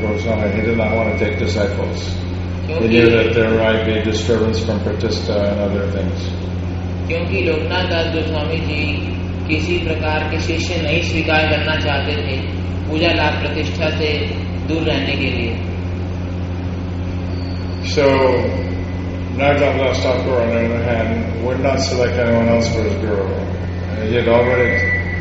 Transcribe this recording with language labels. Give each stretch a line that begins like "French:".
English: goes on, he did not want to take disciples. He knew that there might be disturbance from Pratistha and other things.
Hindi: क्योंकि लोकनाथ दास गोस्वामी जी किसी प्रकार के शिष्य नहीं स्वीकार करना चाहते थे पूजा लाभ प्रतिष्ठा से दूर रहने के लिए.
English: So, Nagdam Das Thakur, on the other hand, would not select anyone else for his guru. He had already.